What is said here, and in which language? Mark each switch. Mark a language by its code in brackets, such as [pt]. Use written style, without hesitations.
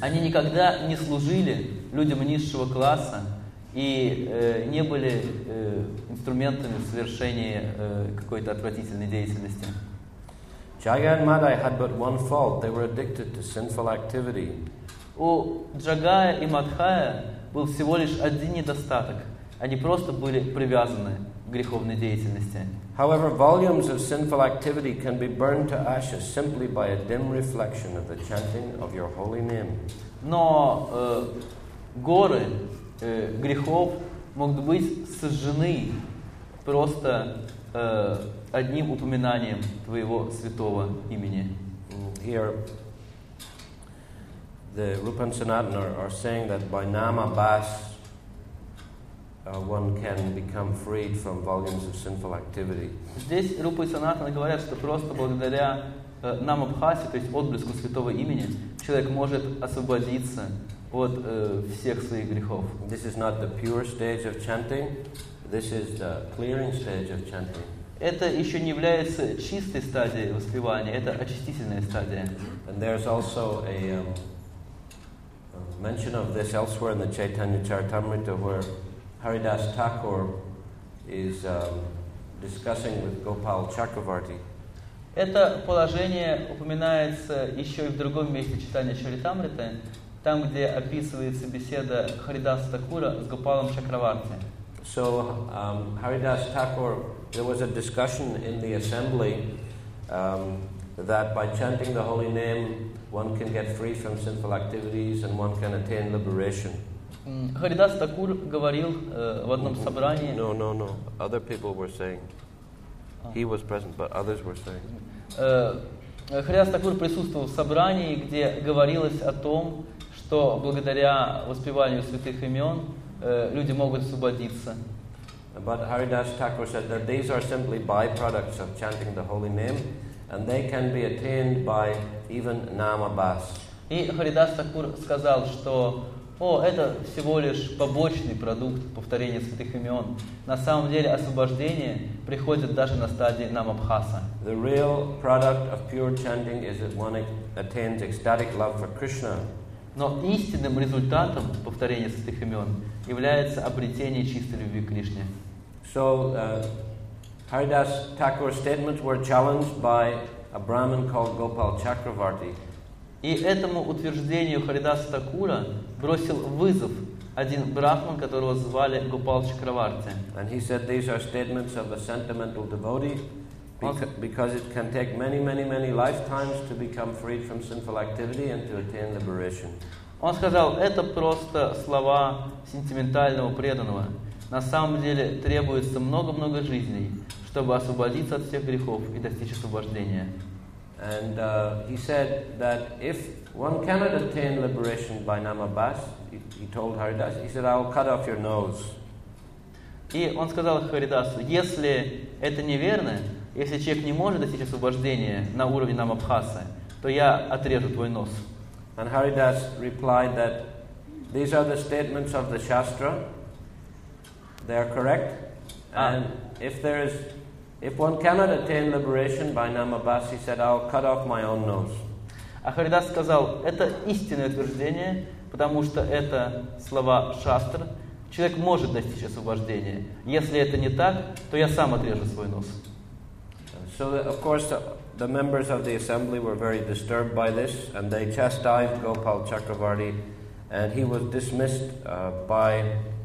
[ru] Они никогда не служили людям низшего класса и не были инструментами в совершении какой-то отвратительной деятельности. [en] Jagai and Madai had but one fault. They were addicted to sinful activity. [ru] У Джагая и Мадхая был всего лишь один недостаток. Они просто были привязаны к греховной деятельности. [en] However, volumes of sinful activity can be burned to ashes simply by a dim reflection of the chanting of your holy name. [ru] Но горы грехов могут быть сожжены просто одним упоминанием твоего святого имени. [en] Here, the Rupa and Sanatana are saying that by Nama Bas, one can become freed from volumes of sinful activity. [ru] Здесь Рупа и Санатана говорят, что просто благодаря Нама Бхасе, то есть отблеску святого имени, человек может освободиться от всех своих грехов. [en] This is not the pure stage of chanting. This is the clearing stage of chanting. [ru] Это еще не является чистой стадией воспевания. Это очистительная стадия. [en] And there's also a mention of this elsewhere in the Chaitanya Charitamrita, where Haridas Thakur is discussing with Gopal Chakravarti. [ru] Это положение упоминается еще и в другом месте Чайтанья Чаритамриты, там, где описывается беседа Харидаса Такура с Гопалом Чакраварти. [en] So, Haridas Thakur, there was a discussion in the assembly that by chanting the holy name, one can get free from sinful activities and one can attain liberation. [ru] Харидас Такур говорил в одном собрании... [en] No. Other people were saying. He was present, but others were saying. [ru] Харидас Такур присутствовал в собрании, где говорилось о том, что благодаря воспеванию святых имен люди могут освободиться. [en] But Haridas Thakur said that these are simply byproducts of chanting the holy name, and they can be attained by even Nama Bas. [ru] И Харидас Такур сказал, что о, это всего лишь побочный продукт повторения святых имен. На самом деле освобождение приходит даже на стадии намабхаса. [en] The real product of pure chanting is that one attains ecstatic love for Krishna. [ru] Но истинным результатом повторения святых имен является обретение чистой любви к Кришне. [en] So, Haridas Thakur's statements were challenged by a Brahmin called Gopal Chakravarti. [ru] И этому утверждению Харидаса Такура бросил вызов один брахман, которого звали Гопал Чакраварти. [en] And he said these are statements of a sentimental devotee, because it can take many, many, many lifetimes to become freed from sinful activity and to attain liberation. [ru] Он сказал, это просто слова сентиментального преданного. На самом деле требуется много-много жизней, чтобы освободиться от всех грехов и достичь освобождения. [en] And he said that if one cannot attain liberation by Namabhas, he told Haridas, he said, I'll cut off your nose. [ru] И он сказал Харидасу, если это неверно, если человек не может достичь освобождения на уровне Намабхаса, то я отрежу твой нос. [en] And Haridas replied that these are the statements of the Shastra. They are correct. And if there is... If one cannot attain liberation by Namabhas, he said, I'll cut off my own nose. [ru] А Харидас сказал, это истинное утверждение, потому что это слова шастр. Человек может достичь освобождения. Если это не так, то я сам отрежу свой нос. [en] So, of course, the members of the assembly were very disturbed by this, and they chastised Gopal Chakravarti, and he was dismissed by...